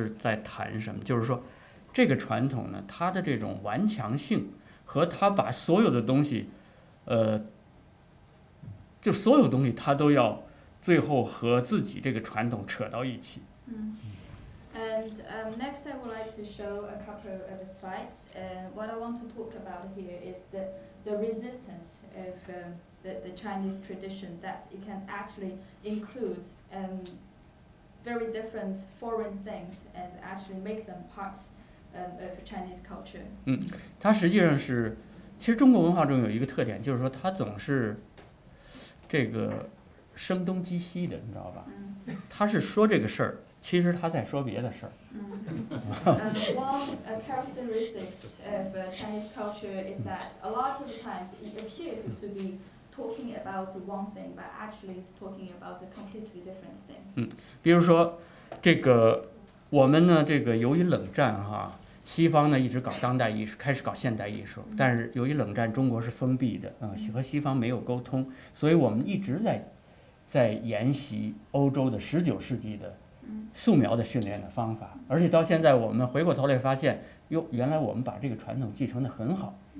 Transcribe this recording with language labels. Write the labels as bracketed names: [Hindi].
[Chinese] 下面呢，我再放几张片子。这几张片子实际上我就是在谈什么，就是说 这个传统呢，它的这种顽强性和它把所有的东西，就所有东西它都要最后和自己这个传统扯到一起。 [English] And next I would like to show a couple of slides. And what I want to talk about here is the resistance of the Chinese tradition, that it can actually include very different foreign things and actually make them part of Chinese culture. [Chinese] 它实际上是，其实中国文化中有一个特点，就是说它总是这个声东击西的，你知道吧？它是说这个事儿，其实他在说别的事儿。 [English] One characteristic of Chinese culture is that a lot of times it appears to be talking about one thing, but actually it's talking about a completely different thing. [Chinese] 比如说这个我们呢，这个由于冷战哈，西方呢一直搞当代艺术，开始搞现代艺术，但是由于冷战，中国是封闭的，和西方没有沟通，所以我们一直在沿袭欧洲的十九世纪的素描的训练的方法，而且到现在我们回过头来发现，哟，原来我们把这个传统继承得很好。